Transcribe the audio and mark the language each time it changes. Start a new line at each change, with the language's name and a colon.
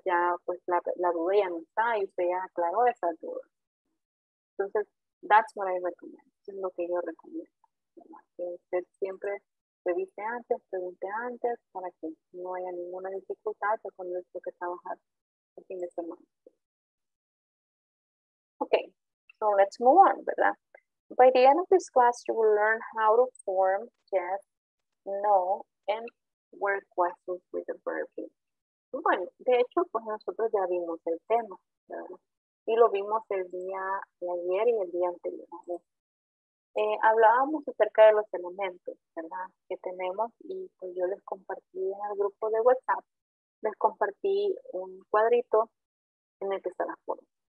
Spanish: Ya pues la duda ya no está y usted ya aclaró esa duda. Entonces,
English: that's what I recommend.
Spanish: Eso es lo que yo recomiendo, ¿verdad? Que usted siempre revise antes, pregunte antes, para que no haya ninguna dificultad ya cuando usted tiene que trabajar el fin de semana.
English: Ok, so let's move on,
Spanish: ¿verdad?
English: By the end of this class, you will learn how to form yes, no, and word questions with the verb in.
Spanish: Bueno, de hecho, pues nosotros ya vimos el tema, ¿verdad? Y lo vimos el día de ayer y el día anterior. Hablábamos acerca de los elementos, ¿verdad? Que tenemos y pues yo les compartí en el grupo de WhatsApp, les compartí un cuadrito en el que está la forma.